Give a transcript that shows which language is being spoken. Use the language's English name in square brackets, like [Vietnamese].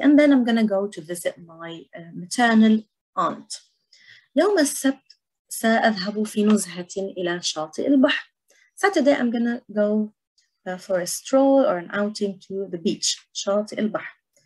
[English] And then I'm going to go to visit my maternal aunt. [Arabic] يوم السبت سأذهب في نزهة إلى شاطئ البحر. [English] Saturday I'm going to go for a stroll or an outing to the beach, [Arabic] شاطئ البحر.